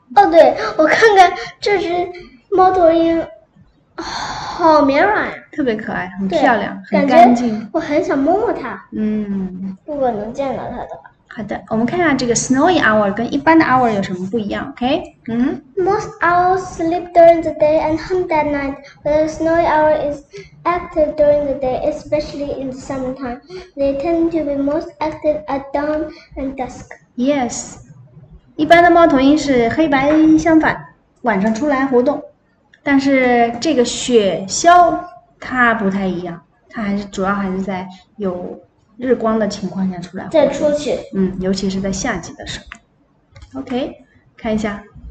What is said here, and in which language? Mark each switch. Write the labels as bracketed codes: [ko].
[zh] 哦，对，我看看这只猫头鹰，好绵软呀。特别可爱，很漂对，亮，很感觉干净。我很想摸摸它，如果能见到它的话。好的，我们看看这个 snowy owl 跟一般的 owl 有什么不一样？OK， [en] Most owls sleep during the day and hunt at night, but the snowy owl is active during the day, especially in the summertime. They tend to be most active at dawn and dusk. [zh] Yes，一般的猫头鹰是黑白相反，晚上出来活动，但是这个雪鸮。它不太一样，它还是主要还是在有日光的情况下出来再活动，出去，尤其是在夏季的时候。OK，看一下。